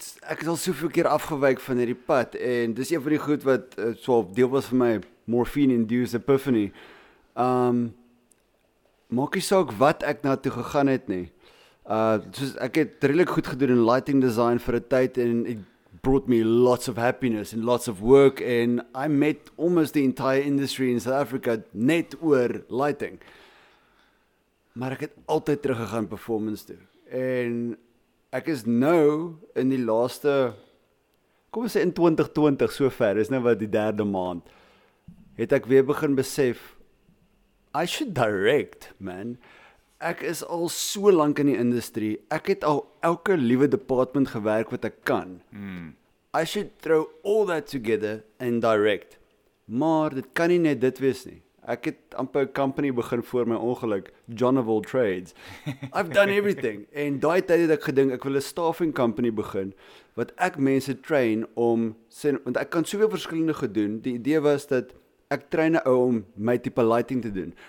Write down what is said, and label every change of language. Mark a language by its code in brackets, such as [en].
[af] Ek het al soveel keer afgewyk van hierdie pad en dis een van die goed wat so deel was van my morphine-induced epiphany. Maak nie saak wat ek na toe gegaan het nie. Soos ek het redelijk goed gedoen in lighting design vir 'n tyd en [en] brought me lots of happiness and lots of work, and I met almost the entire industry in South Africa net oor lighting. [af] Maar ek het altyd teruggegaan performance toe. En ek is nou in die laaste, kom ons sê in 2020 so ver, is nou wat die derde maand, het ek weer begin besef, [en] I should direct, man. [af] Ek is al so lank in die industrie, ek het al elke liewe department gewerk wat ek kan. [en] I should throw all that together and direct. [af] Maar dit kan nie net dit wees nie. Ek het amper 'n company begin voor my ongeluk, John of all trades. [en] I've done everything. [af] En daai tyd het ek gedink, ek wil 'n staffing company begin, wat ek mense train om, want ek kan soveel verskillende goed doen. Die idee was dat, ek train 'n ou om my tipe lighting te doen.